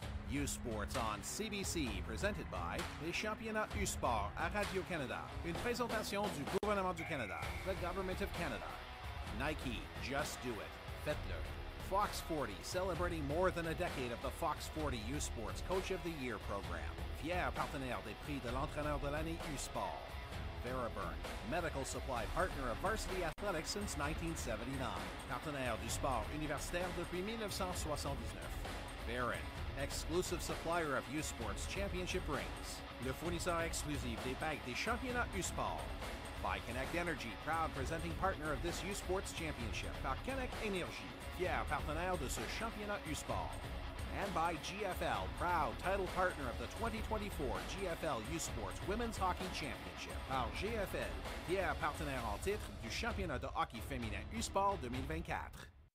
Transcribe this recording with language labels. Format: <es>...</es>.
<en>U Sports on CBC, presented by</en> <fr>Les Championnats U Sport à Radio-Canada. Une présentation du gouvernement du Canada,</fr> <en>the Government of Canada. Nike, just do it.</en> <fr>Faites-le.</fr> <en>Fox 40, celebrating more than a decade of the Fox 40 U Sports Coach of the Year program.</en> <fr>Fier partenaire des prix de l'entraîneur de l'année U Sport.</fr> <en>Veriburn, medical supply partner of varsity athletics since 1979.</en> <fr>Partenaire du sport universitaire depuis 1979.</fr> <en>Baron, exclusive supplier of U-Sports Championship rings.</en> <fr>Le fournisseur exclusif des bagues des championnats U-Sport.</fr> <en>By Connect Energy, proud presenting partner of this U-Sports Championship.</en> <fr>Par Connect Energy, fier partenaire de ce championnat U-Sport.</fr> <en>And by GFL, proud title partner of the 2024 GFL U-Sports Women's Hockey Championship.</en> <fr>Par GFL, fier partenaire en titre du championnat de hockey féminin U-Sport 2024.</fr>